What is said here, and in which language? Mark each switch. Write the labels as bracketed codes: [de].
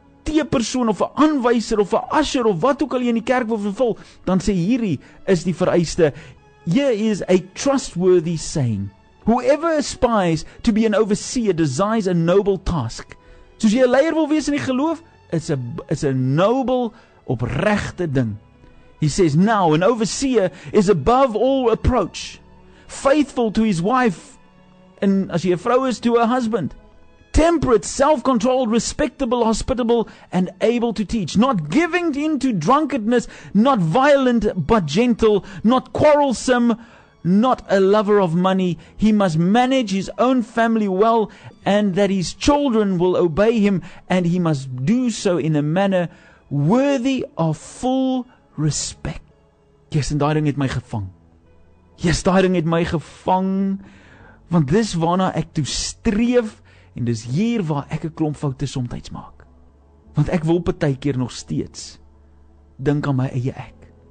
[af] teepersoon, of 'n aanwyser, of 'n usher, of wat ook al jy in die kerk wil vervul, dan sê hierdie is die vereiste, [en] here is a trustworthy saying. Whoever aspires to be an overseer desires a noble task. [af] Soos jy 'n leier wil wees in die geloof, is [en] a noble, [af] opregte ding. [en] He says, now an overseer is above all approach, faithful to his wife, and [af] as jy 'n vrou is, [en] to her husband. Temperate, self-controlled, respectable, hospitable, and able to teach. Not giving in to drunkenness, not violent, but gentle, not quarrelsome, not a lover of money. He must manage his own family well, and that his children will obey him, and he must do so in a manner worthy of full respect. [af] Yes, en daai ding het my gevang. Yes, daai ding het my gevang, want dis waarna ek toe streef, en dis hier waar ek 'n klomp foute soms maak. Want ek wil partykeer nog steeds dink aan my eie ek.